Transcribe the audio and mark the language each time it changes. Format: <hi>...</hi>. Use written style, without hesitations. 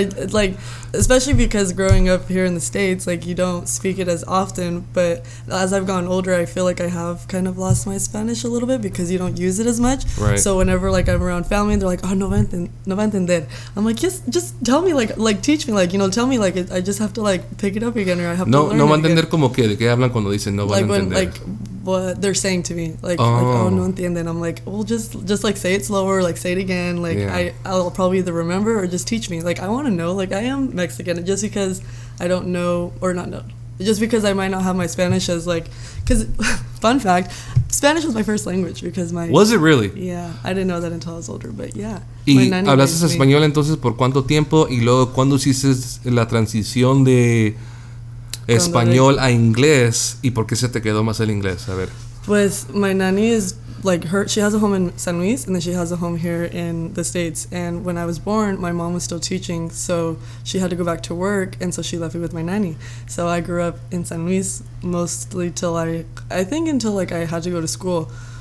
<en>Like especially because growing up here in the States, like you don't speak it as often. But as I've gotten older, I feel like I have kind of lost my Spanish a little bit because you don't use it as much. Right. So whenever like I'm around family, they're like, "Oh,</en> <es>no va a entender."</es> <en>I'm like, "Yes, just tell me, like teach me, like you know, tell me, like I just have to like pick it up again, or I have to learn."</en> <es>No va a entender como que de qué hablan cuando dicen no va a entender.</es> <en>Like, what they're saying to me, like,</en> <es>no entienden.</es> <en>I'm like, well, just like say it slower, like say it again, like yeah. I'll probably either remember or just teach me. Like, I want to know, like, I am Mexican, just because I don't know or not know, just because I might not have my Spanish as like, because fun fact, Spanish was my first language because my was it really? Yeah, I didn't know that until I was older, but yeah.</en> <es>¿Y hablaste español entonces por cuánto tiempo y luego cuándo hiciste la transición de español a inglés y por qué se te quedó más el inglés? A ver.</es> <en>with my nanny is like her. She has a home in San Luis, and then she has a home here in the States. And when I was born, my mom was still teaching, so she had to go back to work, and so she left me with my nanny. So I grew up in San Luis mostly till I think until like I had to go to school.</en>